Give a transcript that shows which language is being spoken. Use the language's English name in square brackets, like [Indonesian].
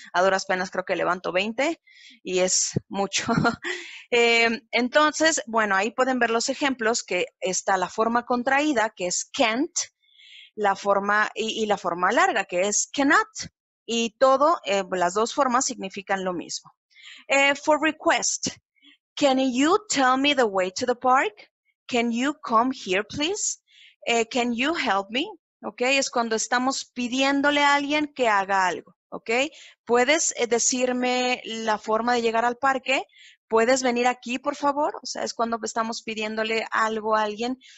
[Spanish] A duras penas creo que levanto 20 y es mucho. Entonces, bueno, ahí pueden ver los ejemplos que está la forma contraída, que es can't, la forma y la forma larga, que es cannot. Y todo, las dos formas significan lo mismo. [English] For request, can you tell me the way to the park? Can you come here, please? Can you help me? [Spanish] Ok, es cuando estamos pidiéndole a alguien que haga algo. Ok, puedes decirme la forma de llegar al parque. Puedes venir aquí, por favor. O sea, es cuando estamos pidiéndole algo a alguien.